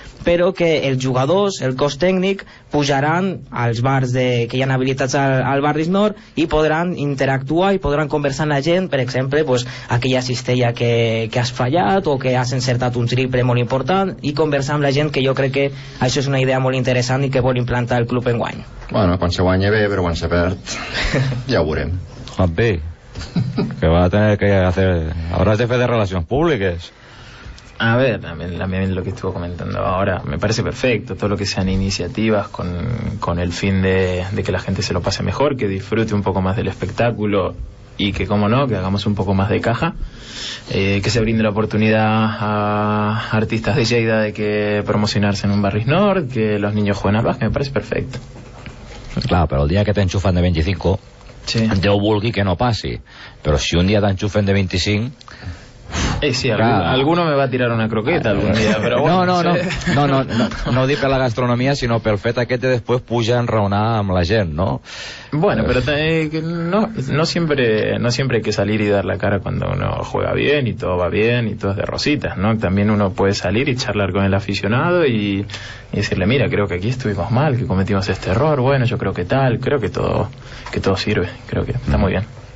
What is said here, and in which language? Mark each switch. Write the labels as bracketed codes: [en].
[ca] però que els jugadors, el cos tècnic, pujaran als bars que hi ha habilitats al barri nord i podran interactuar i podran conversar amb la gent, per exemple, pues, aquella cistella que has fallat o que has encertat un triple molt important, i conversar amb la gent, que jo crec que això és una idea molt interessant i que vol implantar el club enguany. Bueno, quan se guanya bé, però quan se perd, ja ho veurem. [es] Bé, que va a tener que hacer... [ca] Hauràs de fer de relacions públiques. [es] A ver, también lo que estuvo comentando ahora, me parece perfecto, todo lo que sean iniciativas con el fin de que la gente se lo pase mejor, que disfrute un poco más del espectáculo y que, cómo no, que hagamos un poco más de caja, que se brinde la oportunidad a artistas de Lleida de que promocionarse en un Barris Nord, que los niños jueguen al básquet, me parece perfecto. Claro, pero el día que te enchufan de 25, sí, [ca] Déu vulgui que no passi, [es] pero si un día [ca] te enchufen de 25... [es] Sí, claro. Alguno me va a tirar una croqueta algún día, pero bueno, [ca] No dic per la gastronomia, sinó pel fet aquest de després pujar a enraonar amb la gent, no? [es] Bueno, pero no siempre hay que salir y dar la cara cuando uno juega bien y todo va bien y todo es de rositas, ¿no? También uno puede salir y charlar con el aficionado y decirle, mira, creo que aquí estuvimos mal, que cometimos este error, bueno, yo creo que tal, creo que todo sirve, creo que está muy bien.